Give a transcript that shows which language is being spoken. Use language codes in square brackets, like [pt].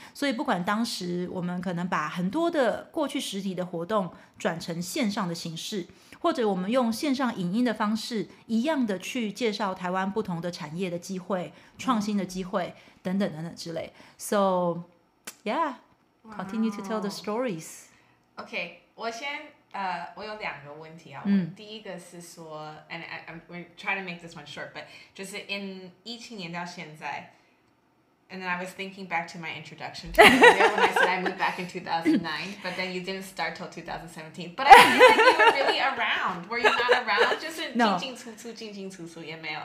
[zh] 所以不管当时我们可能把很多的过去实体的活动转成线上的形式，或者我们用线上影音的方式一样的去介绍台湾不同的产业的机会、创新的机会等等等等之类。 [en] So yeah， continue、wow. to tell the stories。 [zh] OK， 我先我有两个问题要问。第一个是说 [en] and we're trying to make this one short， but [zh] 就是 [en] in [zh] 17年到现在， [en] and then I was thinking back to my introduction to when I said I moved back in 2009 but then you didn't start till 2017， but I feel like you were really around， were you not around？ [zh] 就是进进出出进进出出也没有。